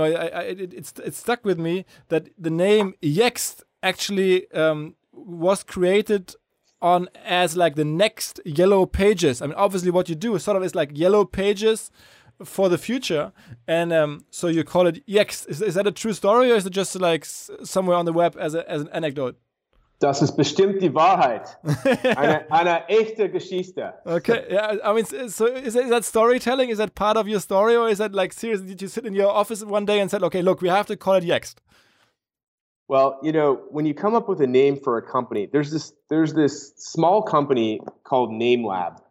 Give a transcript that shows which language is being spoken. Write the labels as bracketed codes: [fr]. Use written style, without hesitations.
[en] It stuck with me that the name Yext actually was created on as like the next Yellow Pages. I mean, obviously what you do is sort of is like Yellow Pages for the future. And so you call it Yext. Is that a true story, or is it just like somewhere on the web as an anecdote? [de] Das ist bestimmt die Wahrheit. eine echte Geschichte. [en] Okay. Yeah. I mean, so is that storytelling? Is that part of your story? Or is that like, seriously, did you sit in your office one day and said, okay, look, we have to call it Yext? Well, you know, when you come up with a name for a company, there's this small company called NameLab.